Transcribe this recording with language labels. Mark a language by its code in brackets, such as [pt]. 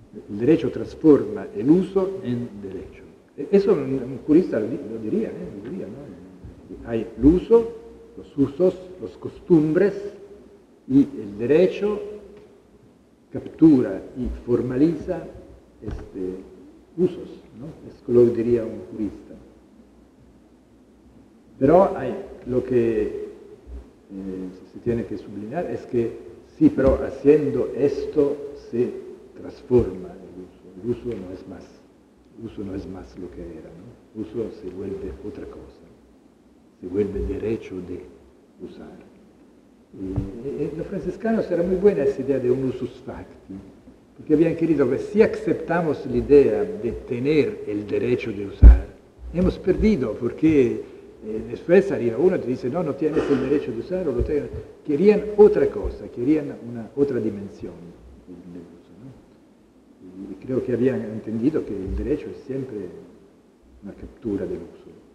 [es] El derecho transforma el uso en derecho. Eso un jurista lo diría, ¿no? Hay el uso, los usos, las costumbres, y el derecho captura y formaliza este usos, ¿no? Es lo que diría un jurista. [it] Però lo che si tiene che sublinare è che sì, però haciendo questo si trasforma l'uso. L'uso non è più lo che era, no? L'uso si vuelve altra cosa, si vuelve derecho de usare. E lo francescano sarà molto buona questa idea di un usus facti, perché abbiamo chiarito che se acceptamos l'idea di tenere il derecho de usare, hemos perdido, perché. [es] Después arriva uno e ti dice no tienes el derecho de usar, lo tienes. Querían otra cosa, querían una otra dimensión del uso, ¿no? Y creo que habían entendido que el derecho es siempre una captura del uso.